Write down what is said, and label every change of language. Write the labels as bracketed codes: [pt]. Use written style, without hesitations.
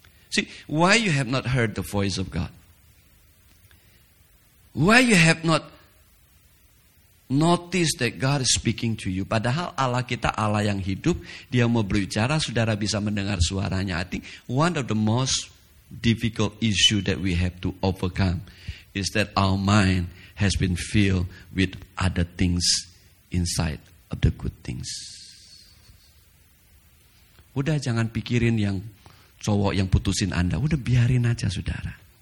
[en] See, why you have not heard the voice of God? Why you have not notice that God is speaking to you? [id] Padahal Allah kita Allah yang hidup, dia mau berbicara, saudara bisa mendengar suaranya. [en] I think one of the most difficult issue that we have to overcome is that our mind has been filled with other things inside of the good things. [id] Udah jangan pikirin yang cowok yang putusin Anda, udah biarin aja saudara.